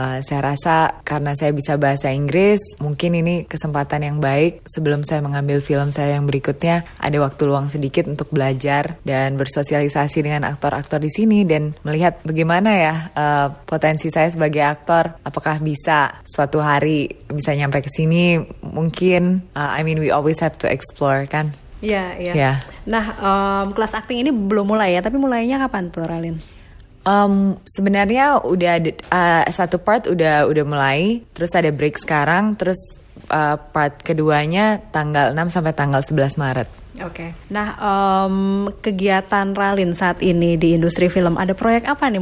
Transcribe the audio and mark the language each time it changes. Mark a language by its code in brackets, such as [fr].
[id] Saya rasa karena saya bisa bahasa Inggris, mungkin ini kesempatan yang baik sebelum saya mengambil film saya yang berikutnya, ada waktu luang sedikit untuk belajar dan bersosialisasi dengan aktor-aktor di sini dan melihat bagaimana ya potensi saya sebagai aktor. Apakah bisa suatu hari bisa nyampe ke sini? [en] Mungkin, we always have to explore, kan? [id] Iya. Nah, kelas acting ini belum mulai ya, tapi mulainya kapan tuh, Ralin? Sebenarnya udah satu part udah mulai, terus ada break sekarang, terus part keduanya tanggal 6 sampai tanggal 11 Maret. Oke. Okay. Nah, kegiatan Ralin saat ini di industri film, ada proyek apa nih?